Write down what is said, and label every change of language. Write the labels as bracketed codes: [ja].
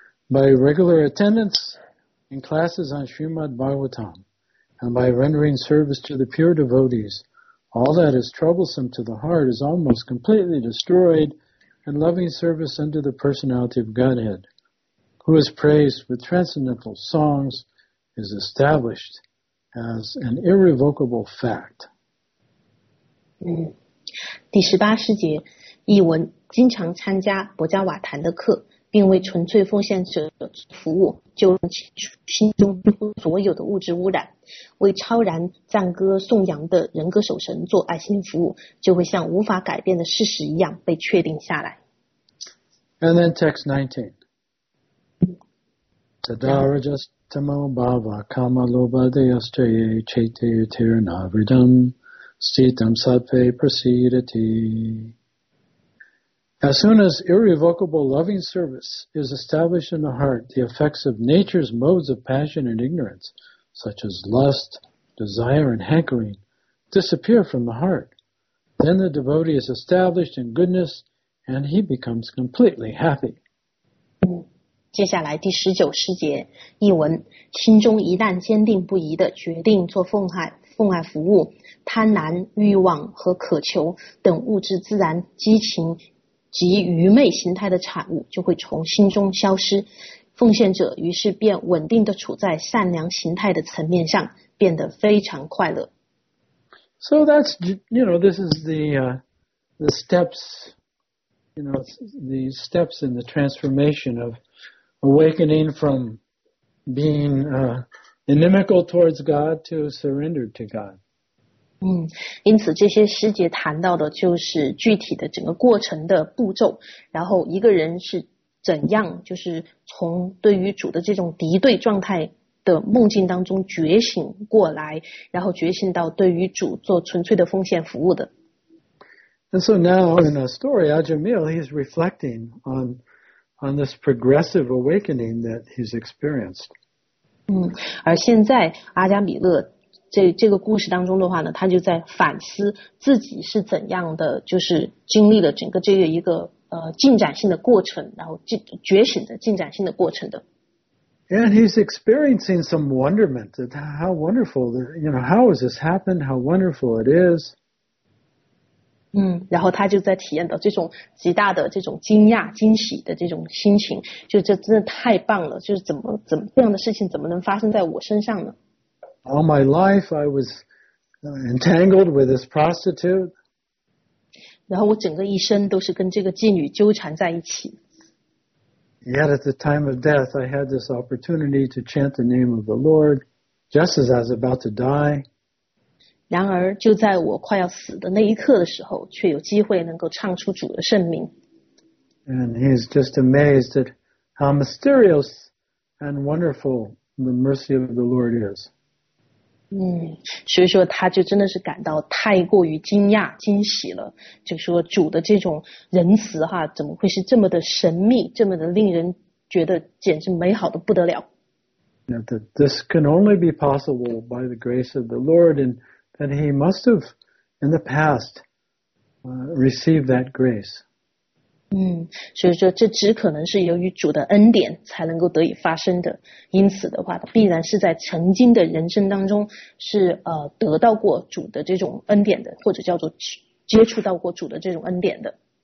[en] By regular attendance in classes on Srimad Bhagavatam and by rendering service to the pure devotees, all that is troublesome to the heart is almost completely destroyed, and loving service unto the personality of Godhead, who is praised with transcendental songs, is established as an irrevocable fact. Mm-hmm. [zh] 第十八诗节，译文：经常参加博迦瓦坛的课，并为纯粹奉献者的服务，就能清除心中几乎所有的物质污染；为超然赞歌颂扬的人格守神做爱心服务，就会像无法改变的事实一样被确定下来。 [en] And then text 19. [sa] Tadarajastamo bhava kama lobadeyastaye chete tirnavridam. Sitam sape prasidati. [en] As soon as irrevocable loving service is established in the heart, the effects of nature's modes of passion and ignorance, such as lust, desire, and hankering, disappear from the heart. Then the devotee is established in goodness, and he becomes completely happy. [zh] 接下来第十九诗节，译文：心中一旦坚定不移地决定做奉爱服务，贪婪、欲望和渴求等物质自然激情及愚昧形态的产物就会从心中消失，奉献者于是便稳定地处在善良形态的层面上，变得非常快乐。 [en] So that's, you know, this is the steps, you know, the steps in the transformation of awakening from being, inimical towards God to surrender to God. [zh] 因此这些诗节谈到的就是具体的整个过程的步骤，然后一个人是怎样就是从对于主的这种敌对状态的梦境当中觉醒过来，然后觉醒到对于主做纯粹的奉献服务的。 [en] And so now in a story, Ajamil, he's reflecting on this progressive awakening that he's experienced. [zh] 而现在阿加米勒这个故事当中的话呢，他就在反思自己是怎样的，就是经历了整个这个一个进展性的过程，然后觉醒的进展性的过程的。 [en] And he's experiencing some wonderment at how wonderful, you know, how has this happened? How wonderful it is. [zh] 然后他就在体验到这种极大的这种惊讶惊喜的这种心情，就这真的太棒了，就是怎么这样的事情怎么能发生在我身上呢？ [en] All my life I was entangled with this prostitute. [zh] 然后我整个一生都是跟这个妓女纠缠在一起。 [en] Yet at the time of death, I had this opportunity to chant the name of the Lord just as I was about to die. [zh] 然而就在我快要死的那一刻的时候，却有机会能够唱出主的圣名。 [en] And he's just amazed at how mysterious and wonderful the mercy of the Lord is. [zh] 所以说他就真的是感到太过于惊讶惊喜了，就说主的这种仁慈哈，怎么会是这么的神秘，这么的令人觉得简直美好的不得了。 [en] Now, that this can only be possible by the grace of the Lord, and that he must have in the past received that grace. [zh] 所以说这只可能是由于主的恩典才能够得以发生的，因此的话必然是在曾经的人生当中是得到过主的这种恩典的，或者叫做接触到过主的这种恩典的。